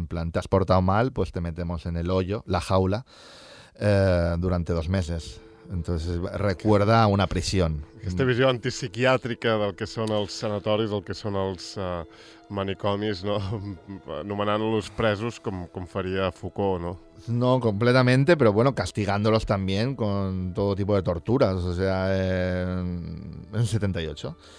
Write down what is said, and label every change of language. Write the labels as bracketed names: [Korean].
[Spanish] En plan, te has portado mal, pues te metemos en el hoyo, la jaula, durante 2 meses. Entonces recuerda a una prisión. [Catalan] Aquesta visió antipsiquiàtrica del que són els sanatoris, del que són els manicomis, no? Anomenant-los presos com faria Foucault, no? [Spanish] No, completamente, pero bueno, castigándolos también con todo tipo de torturas, o sea, en 78.